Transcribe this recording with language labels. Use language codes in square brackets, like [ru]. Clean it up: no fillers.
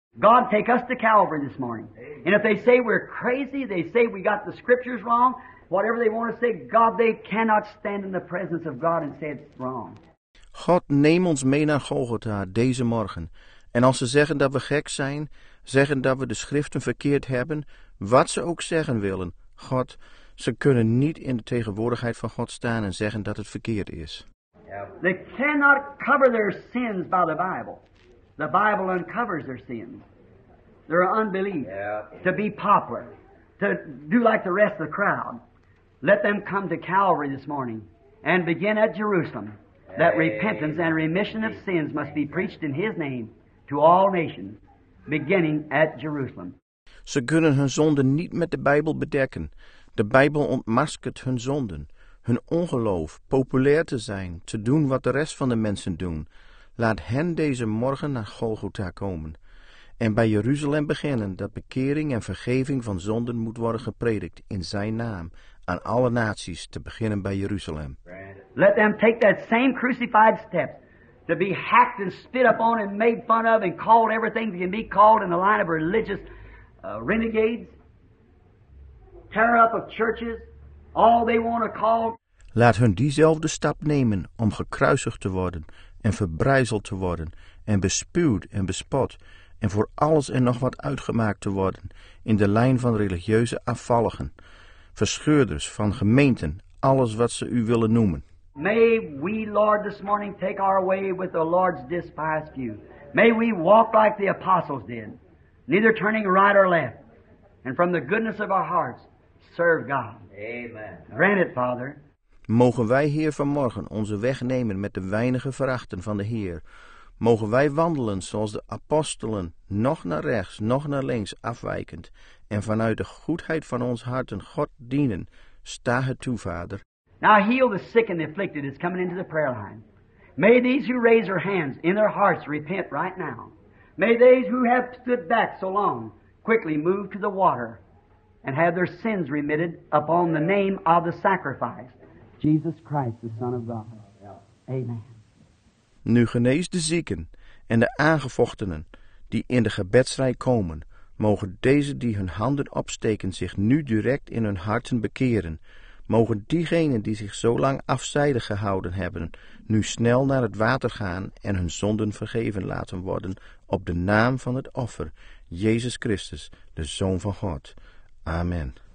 [en] God, take us to Calvary this morning. And if they say we're crazy, they say we got the scriptures wrong, whatever they want to say, God, they cannot stand in the presence of God and say it's wrong. [nl] God, neem ons mee naar Golgotha deze morgen. En als ze zeggen dat we gek zijn, zeggen dat we de schriften verkeerd hebben, wat ze ook zeggen willen, God, ze kunnen niet in de tegenwoordigheid van God staan en zeggen dat het verkeerd is. Ja. [en] They cannot cover their sins by the Bible. The Bible uncovers their sins. Their unbelief. Yeah. To be popular. To do like the rest of the crowd. Let them come to Calvary this morning and begin at Jerusalem. That repentance and remission of sins must be preached in His name to all nations, beginning at Jerusalem. [nl] Ze kunnen hun zonden niet met de Bijbel bedekken. De Bijbel ontmaskert hun zonden, hun ongeloof, populair te zijn, te doen wat de rest van de mensen doen. Laat hen deze morgen naar Golgotha komen en bij Jeruzalem beginnen dat bekering en vergeving van zonden moet worden gepredikt in Zijn naam aan alle naties, te beginnen bij Jeruzalem. [en] Let them take that same crucified steps to be hacked and spit upon and made fun of and called everything that can be called in the line of religious renegades, tear up of churches, all they want to call. [nl] Laat hun diezelfde stap nemen om gekruisigd te worden en verbrijzeld te worden en bespuwd en bespot en voor alles en nog wat uitgemaakt te worden in de lijn van religieuze afvalligen, verscheurders van gemeenten, alles wat ze u willen noemen. [en] May we, Lord, this morning take our way with the Lord's despised view. May we walk like the apostles did, neither turning right or left, and from the goodness of our hearts serve God. Amen. Grant it, Father. [nl] Mogen wij hier vanmorgen onze weg nemen met de weinige verachten van de Heer. Mogen wij wandelen zoals de apostelen, nog naar rechts, nog naar links afwijkend, en vanuit de goedheid van ons hart een God dienen. Sta het toe, Vader. [en] Now heal the sick and the afflicted is coming into the prayer line. May these who raise their hands in their hearts repent right now. May these who have stood back so long quickly move to the water and have their sins remitted upon the name of the sacrifice, Jesus Christ, the Son of God. Amen. [nl] Nu genees de zieken en de aangevochtenen die in de gebedsrij komen. Mogen deze die hun handen opsteken zich nu direct in hun harten bekeren. Mogen diegenen die zich zo lang afzijdig gehouden hebben, nu snel naar het water gaan en hun zonden vergeven laten worden op de naam van het offer, Jezus Christus, de Zoon van God. Amen.